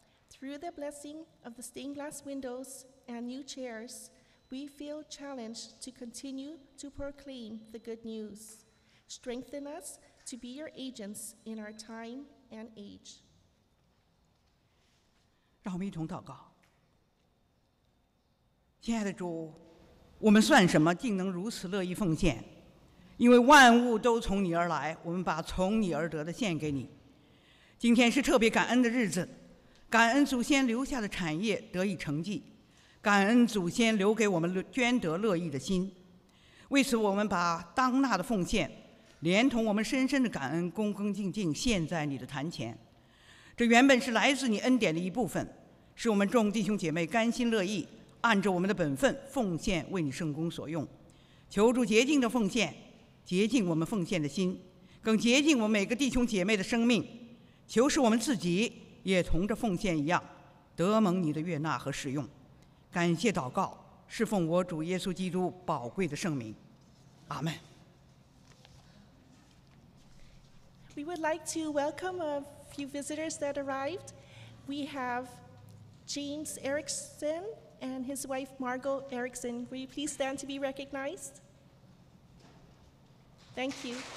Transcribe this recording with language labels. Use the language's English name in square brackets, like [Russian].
[English] Through the blessing of the stained glass windows and new chairs, we feel challenged to continue to proclaim the good news. Strengthen us to be your agents in our time and age. [Chinese] 让我们一同祷告。亲爱的主，我们算什么，竟能如此乐意奉献？因为万物都从你而来，我们把从你而得的献给你。今天是特别感恩的日子，感恩祖先留下的产业得以成绩，感恩祖先留给我们捐得乐意的心。为此，我们把当纳的奉献，连同我们深深的感恩，恭恭敬敬献在你的坛前。这原本是来自你恩典的一部分，是我们众弟兄姐妹甘心乐意按着我们的本分奉献，为你圣工所用。求主洁净的奉献，洁净我们奉献的心，更洁净我们每个弟兄姐妹的生命。求使我们自己也同着奉献一样得蒙你的悦纳和使用。感谢祷告，侍奉我主耶稣基督宝贵的圣名，阿们。 [English] We would like to welcome a few visitors that arrived. We have James Erickson and his wife Margot Erickson. Will you please stand to be recognized? Thank you.